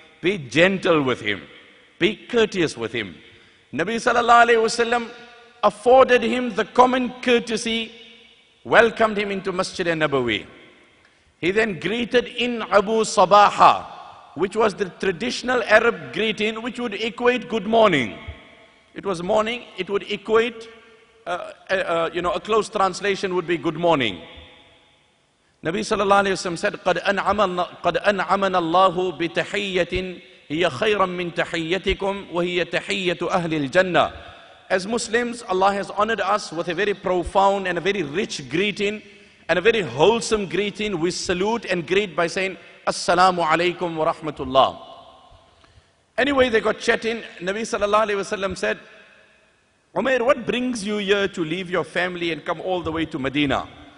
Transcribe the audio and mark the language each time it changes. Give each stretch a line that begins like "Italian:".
English: Be gentle with him. Be courteous with him. Nabi sallallahu alaihi wasallam afforded him the common courtesy, welcomed him into Masjid al-Nabawi. He then greeted in Abu Sabaha, which was the traditional Arab greeting, which would equate good morning. It was morning, it would equate, a close translation would be good morning. Nabi sallallahu alaihi wasallam said,
Arabic: قَدْ أَنْعَمَنَ اللَّهُ بِتَحِيَّةٍ هِيَ خَيْرًا مِّن تَحِيَّتِكُمْ وَهِيَ تَحِيَّةُ أَهْلِ الْجَنَّةِ.
English: As Muslims, Allah has honored us with a very profound and a very rich greeting and a very wholesome greeting. We salute and greet by saying, Assalamu alaikum wa rahmatullah. Anyway, they got chatting. Nabi sallallahu alaihi wasallam said, Umair, what brings you here to leave your family and come all the way to Medina?